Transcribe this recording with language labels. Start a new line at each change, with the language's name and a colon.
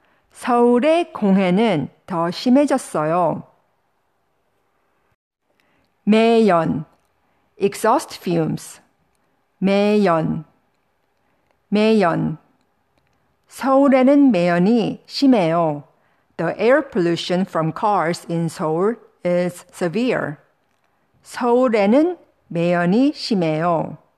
Korean: 서울의 공해는 더 심해졌어요. 매연,
English: exhaust fumes.
Korean: 매연, 매연. 서울에는 매연이 심해요.
English: The air pollution from cars in Seoul is severe.
Korean: 서울에는 매연이 심해요.